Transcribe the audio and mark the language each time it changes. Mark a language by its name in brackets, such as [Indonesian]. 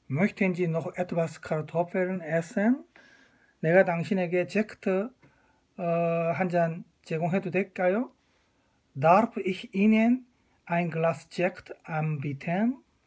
[German] Möchten Sie noch etwas Kartoffeln essen? [Korean] 내가 당신에게 제크트 한 잔 제공해도 될까요? [German] Darf ich Ihnen ein Glas Sekt anbieten?